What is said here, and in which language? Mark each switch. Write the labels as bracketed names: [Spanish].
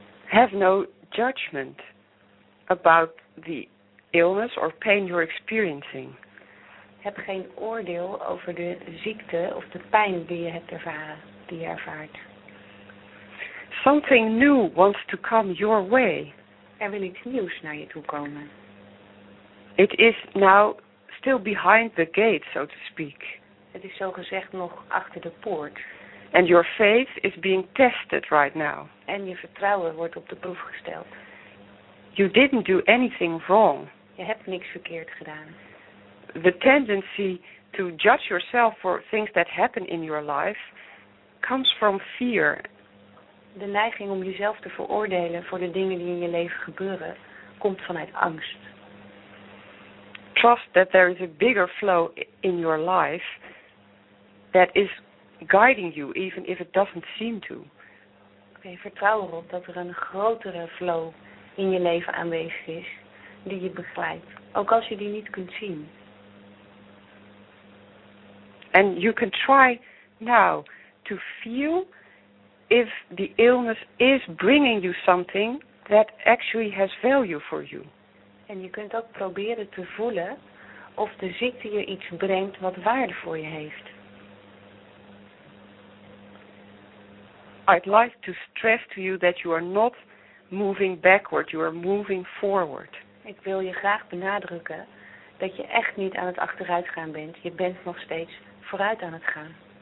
[English] Have no judgment about the illness or pain you're experiencing. [Dutch] Heb geen oordeel over de ziekte of de pijn die je hebt ervaren, die je ervaart. [English] Something new wants to come your way. [Dutch] Er wil iets nieuws naar je toe komen. [English] It is now still behind the gate, so to speak. [Dutch] Het is zogezegd nog achter de poort. [English] And your faith is being tested right now. [Dutch] En je vertrouwen wordt op de proef gesteld. [English] You didn't do anything wrong. [Dutch] Je hebt niks verkeerd gedaan. [English] The tendency to judge yourself for things that happen in your life comes from fear. [Dutch] De neiging om jezelf te veroordelen voor de dingen die in je leven gebeuren komt vanuit angst. [English] Trust that there is a bigger flow in your life that is guiding you, even if it doesn't seem to. [Dutch] Okay, vertrouw erop dat er een grotere flow in je leven aanwezig is die je begeleidt, ook als je die niet kunt zien. [English] And you can try now to feel if the illness is bringing you something that actually has value for you. [Dutch] En je kunt ook proberen te voelen of de ziekte je iets brengt wat waarde voor je heeft. [English] I'd like to stress to you that you are not moving backward, you are moving forward. [Dutch] Ik wil je graag benadrukken dat je echt niet aan het achteruitgaan bent. Je bent nog steeds vooruit aan het gaan.